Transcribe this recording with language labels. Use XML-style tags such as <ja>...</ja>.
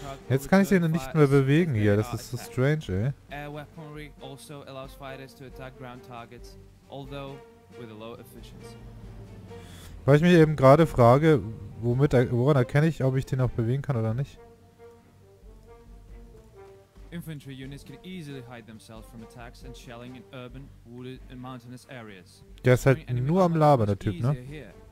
<de>Jetzt kann ich den nicht mehr bewegen hier, das ist so strange, ey.</de> <en>Air weaponry also allows fighters to attack ground targets, although with a low efficiency.</en> <de>Weil ich mich eben gerade frage, woran erkenne ich, ob ich den auch bewegen kann oder nicht?</de> <en>Infantry units can easily hide themselves from attacks and shelling in urban, wooded and mountainous areas.</en> <de>Der ist halt nur am Labern, der Typ, ne?</de>